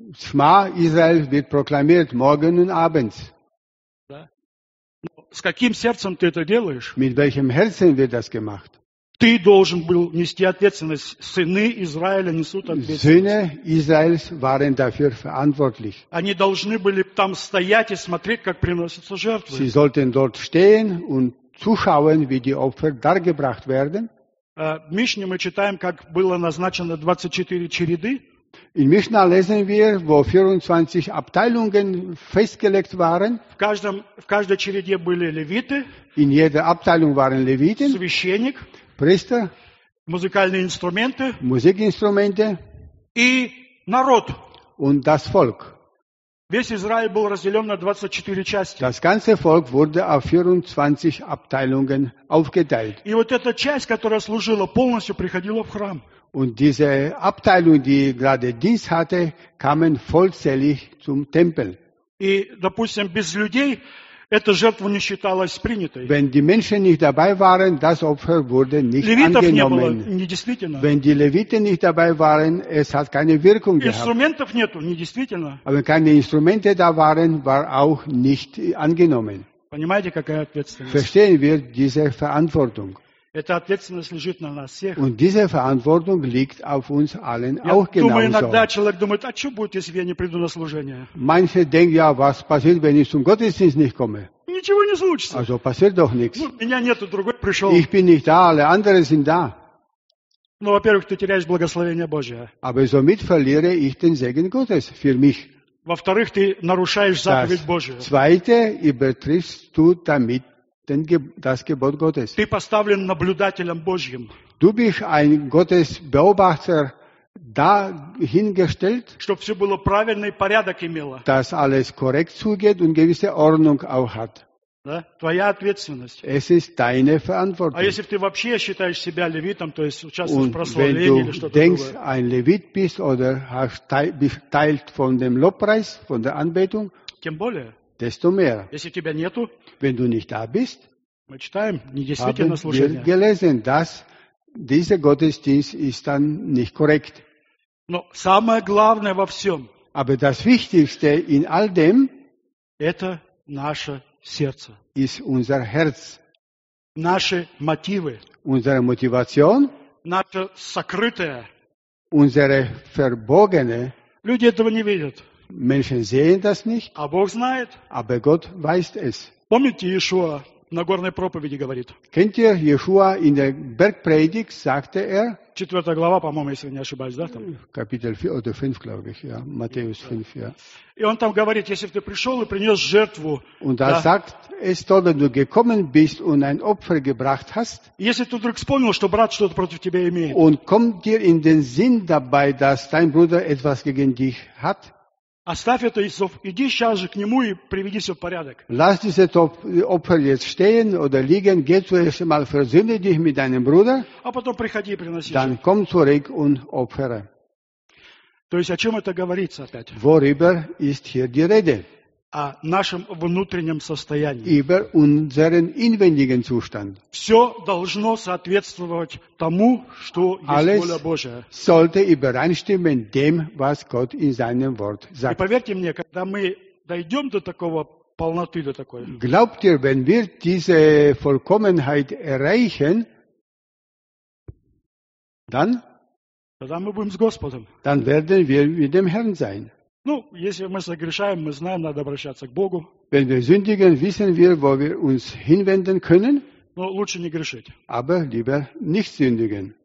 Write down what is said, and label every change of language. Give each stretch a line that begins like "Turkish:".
German: Шма Израиль wird proklamiert morgen und abends.
Russian: Да? С каким сердцем ты это делаешь?
German: Mit welchem Herzen wird das gemacht?
Russian: Ты должен был нести ответственность. Сыны Израиля несут ответственность.
German: Söhne Israels waren dafür verantwortlich.
Russian: Они должны были там стоять и смотреть, как приносятся жертвы.
German: Sie sollten dort stehen und zuschauen, wie die Opfer dargebracht werden.
Russian: В Мишне мы читаем, как было назначено 24 череды.
German: In Mishna lesen wir, wo 24 Abteilungen festgelegt waren.
Russian: В каждой череде были левиты.
German: In jeder Abteilung waren Leviten.
Russian: Священник.
German: Priester.
Russian: Музыкальные инструменты.
German: Musikinstrumente.
Russian: И народ.
German: Und das Volk.
Russian: Весь Израиль был разделен на 24 части.
German: Das ganze Volk wurde auf 24 Abteilungen aufgeteilt.
Russian: И вот эта часть, которая служила полностью, приходила в храм.
German: Und diese Abteilung, die gerade Dienst hatte, kamen vollzählig zum Tempel.
Russian: И, допустим, без людей эта жертва не считалась принятой.
German: Wenn die Menschen nicht dabei waren, das Opfer wurde nicht
Russian: Левитов
German: angenommen.
Russian: Не было, недействительно.
German: Wenn die Leviten nicht dabei waren, es hat keine Wirkung
Russian: Инструментов
German: gehabt.
Russian: Инструментов нету, недействительно.
German: Aber wenn keine Instrumente da waren, war auch nicht angenommen.
Russian: Понимаете, какая ответственность?
German: Verstehen wir diese Verantwortung?
Russian: Эта ответственность лежит на нас всех.
German: Und diese Verantwortung liegt auf uns allen auch genauso.
Russian: Думаю, иногда человек думает, а что будет, если я не приду на служение?
German: Manche denken, ja, was passiert, wenn ich zum Gottesdienst nicht komme?
Russian: Ничего не случится.
German: Also passiert doch nichts.
Russian: Ну, меня нету, другой пришел.
German: Ich bin nicht da, alle anderen sind da.
Russian: Ну, во-первых, ты теряешь благословение Божие.
German: Aber somit verliere ich den Segen Gottes für mich.
Russian: Во-вторых, ты нарушаешь заповедь Божию.
German: Das zweite, übertriffst du damit das Gebot Gottes.
Russian: Ты поставлен наблюдателем Божьим.
German: Du bist ein Gottesbeobachter dahingestellt,
Russian: чтоб все было правильно и порядок имело.
German: Dass alles korrekt zugeht und gewisse Ordnung auch hat.
Russian: Да? Твоя ответственность.
German: Es ist deine Verantwortung.
Russian: А если ты вообще считаешь себя левитом, то есть участвуешь в прославлении или что-то другое?
German: Denkst, ein Levit bist oder hast teil von dem Lobpreis, von der Anbetung?
Russian: Тем более.
German: Desto mehr.
Russian: Если тебя нету,
German: wenn du nicht da bist,
Russian: мы читаем, недействительно служение.
German: Haben wir gelesen, dass dieser Gottesdienst ist dann nicht korrekt.
Russian: Но самое главное во всем.
German: Aber das Wichtigste in all dem,
Russian: это наше сердце.
German: Ist unser Herz.
Russian: Наши мотивы.
German: Unsere Motivation.
Russian: Наше сокрытое.
German: Unsere Verborgene.
Russian: Люди этого не видят.
German: Menschen sehen das nicht,
Russian: а Бог знает.
German: Aber Gott weiß es.
Russian: Помните, Иешуа на горной проповеди говорит?
German: Kennt ihr, Иешуа in der Bergpredigt sagte er,
Russian: 4 глава, по-моему, если не ошибаюсь, да? Там?
German: Kapitel 4, oder 5, glaube ich, ja, Matthäus 5, ja.
Russian: И он там говорит, если ты пришел и принес жертву,
German: und da sagt es doch, wenn du gekommen bist und ein Opfer gebracht hast,
Russian: если ты вдруг вспомнил, что брат что-то против тебя имеет,
German: und kommt dir in den Sinn dabei, dass dein Bruder etwas gegen dich hat,
Russian: оставь это, Иисов, иди сейчас же к нему и приведи все в порядок.
German: Lass dieses Opfer jetzt stehen oder liegen, geh zuerst mal, versöhne dich mit deinem Bruder,
Russian: а потом приходи и приноси.
German: Dann komm zurück und opfere.
Russian: То есть о чем это говорится опять?
German: Worüber ist hier die Rede?
Russian: О нашем внутреннем состоянии.
German: Über unseren inwendigen Zustand.
Russian: Все должно соответствовать тому, что
German: alles
Russian: есть воля Божия.
German: Sollte übereinstimmen dem, was Gott in seinem Wort sagt.
Russian: И поверьте мне, когда мы дойдем до такого полноты, до такой.
German: Glaubt ihr, wenn wir diese Vollkommenheit erreichen, dann?
Russian: Тогда мы будем с Господом.
German: Dann werden wir mit dem Herrn sein.
Russian: Ну, если мы согрешаем, мы знаем, надо обращаться к Богу.
German: Wenn wir sündigen, wissen wir, wo wir uns hinwenden können.
Russian: Но лучше не грешить.
German: Aber lieber nicht sündigen.